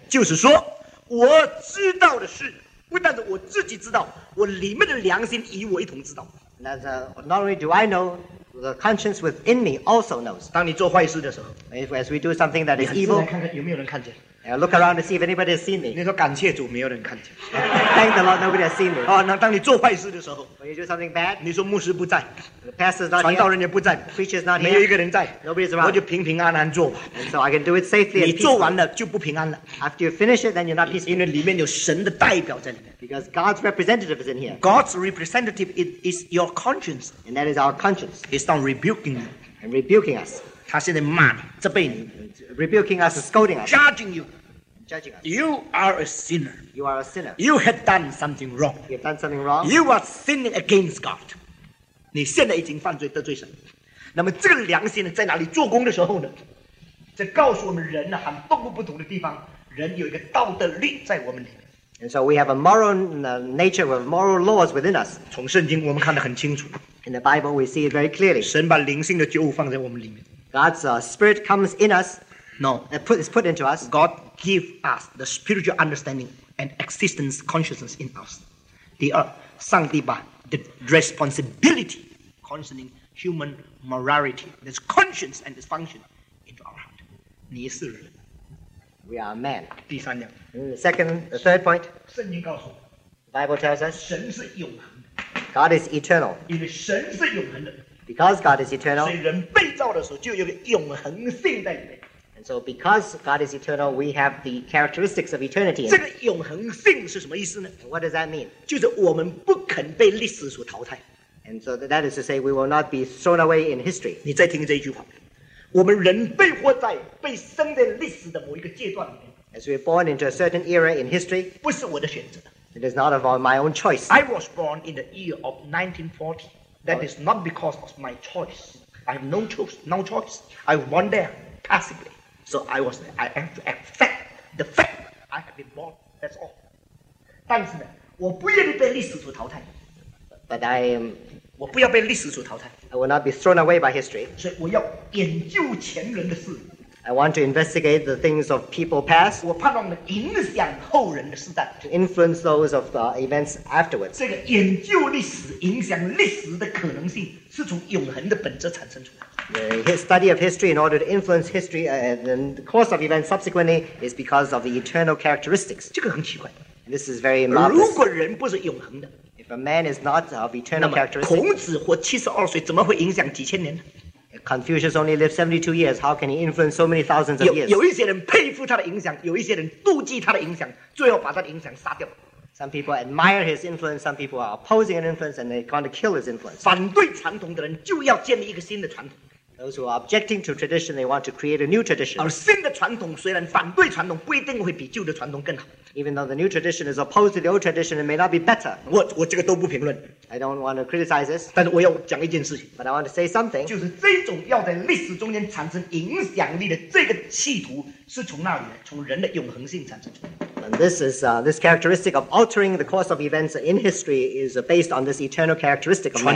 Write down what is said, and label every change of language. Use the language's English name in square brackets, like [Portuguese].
[Chinese] 就是说，我知道的事，不但是我自己知道，我里面的良心与我一同知道。 [English] That's, not only do I know, the conscience within me also knows. [Chinese] 当你做坏事的时候， [English] As we do something that is evil, [Chinese] 你很自然看看有没有人看见。 [English] I'll look around to see if anybody has seen me. [Chinese] 你说感谢主，没有人看见。 [English] Thank the Lord, nobody has seen me. [Chinese] 哦，那当你做坏事的时候， [English] when you do something bad, [Chinese] 你说牧师不在， [English] the pastor's not here, [Chinese] 传道人也不在， [English] the preacher's not here, [Chinese] 没有一个人在， [English] nobody's around. [Chinese] 我就平平安安做吧。 [English] And so I can do it safely. [Chinese] 你做完了就不平安了。 [English] After you finish it, then you're not peaceful. [Chinese] 因为里面有神的代表在里面。 [English] Because God's representative is in here. God's representative is your conscience, and that is our conscience. He's not rebuking you. And rebuking us. 他现在骂你，责备你。 Rebuking us, scolding us, judging you, judging us. You are a sinner. You are a sinner. You had done something wrong. You have done something wrong. You are sinning against God. [Chinese] 你现在已经犯罪得罪神。那么这个良心呢，在哪里做工的时候呢？这告诉我们人呢，很多不同的地方，人有一个道德律在我们里面。 [English] And so we have a moral nature, with moral laws within us. [Chinese] 从圣经我们看得很清楚。 [English] In the Bible, we see it very clearly. [Chinese] 神把灵性的旧物放在我们里面。 [English] God's spirit comes in us. No, it's put into us. God give us the spiritual understanding and existence consciousness in us. [Chinese] 第二，上帝把 [English] the responsibility concerning human morality, this conscience and this function into our heart. [Chinese] 你是人。 [English] We are men. [Chinese] 第三点。 [English] The third point. [Chinese] 圣经告诉我。 [English] The Bible tells us. [Chinese] 神是永恒的。 [English] God is eternal. [Chinese] 因为神是永恒的。 [English] Because God is eternal, [Chinese] 所以人被造的时候就有个永恒性在里面。 [English] And so because God is eternal, we have the characteristics of eternity. [Chinese] 这个永恒性是什么意思呢？ [English] What does that mean? [Chinese] 就是我们不肯被历史所淘汰。 [English] And so that is to say we will not be thrown away in history. [Chinese] 你再听这一句话。我们人被活在，被生在历史的某一个阶段里面。 [English] As we are born into a certain era in history, [Chinese] 不是我的选择。 [English] It is not of my own choice. I was born in the year of 1940. That is not because of my choice. I have no choice. I went there passively. So I was there. I have to accept the fact I have been born. That's all. [Chinese] 但是呢，我不愿意被历史所淘汰。 [English] But I am. [Chinese] 我不要被历史所淘汰。 [English] I will not be thrown away by history. [Chinese] 所以我要研究前人的事。 [English] I want to investigate the things of people past. [Chinese] 我盼望能影响后人的时代。 [English] To influence those of the events afterwards. [Chinese] 这个研究历史，影响历史的可能性，是从永恒的本质产生出来。 [English] The study of history in order to influence history and the course of events subsequently is because of the eternal characteristics. [Chinese] 这个很奇怪。 [English] This is very marvelous. [Chinese] 如果人不是永恒的。 [English] If a man is not of eternal characteristics. [Chinese] 那么孔子活72岁，怎么会影响几千年呢？ [English] Confucius only lived 72 years. How can he influence so many thousands of years? [Chinese] 有一些人佩服他的影响，有一些人妒忌他的影响，最后把他的影响杀掉。 [English] Some people admire his influence. Some people are opposing his influence, and they want to kill his influence. [Chinese] 反对传统的人就要建立一个新的传统。 [English] Those who are objecting to tradition, they want to create a new tradition. [Chinese] 而新的传统虽然反对传统，不一定会比旧的传统更好。 [English] Even though the new tradition is opposed to the old tradition, it may not be better. [Chinese] 我这个都不评论。 [English] I don't want to criticize this. [Chinese] 但是我要讲一件事情。 [English] But I want to say something. [Chinese] 就是这种要在历史中间产生影响力的这个企图，是从哪里来？从人的永恒性产生出来。 [English] And this is this characteristic of altering the course of events in history is based on this eternal characteristic of man.